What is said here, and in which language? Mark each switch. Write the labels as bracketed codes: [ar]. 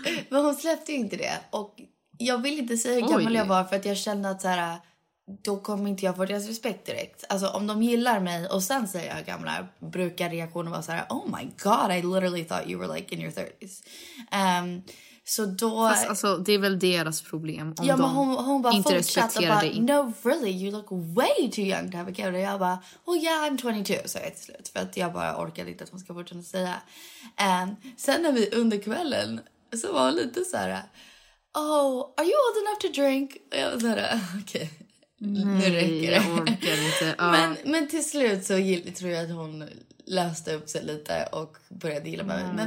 [sv] Men hon släppte inte det. Och jag vill inte säga hur gammal jag var för att jag kände att så här, då kommer inte jag få deras respekt direkt. Alltså om de gillar mig och sen säger jag gamla brukar reaktionen vara så här: [en] oh my god, I literally thought you were like in your 30s. [sv] Så då... Fast, alltså det är väl deras problem om ja, de hon bara inte respekterar dig. [en] No really, you look way too young to have a kid. [sv] Och jag bara, [en] oh yeah, I'm 22, [sv] så jag till slut. För att jag bara orkar lite att hon ska fortsätta säga. Sen när vi under kvällen så var hon lite så här: [en] oh, are you old enough to drink? [sv] Och jag var såhär, okej. Nej, nu räcker det. Jag orkar inte. Ja. Men till slut så tror jag att hon löste upp sig lite och började gilla mig.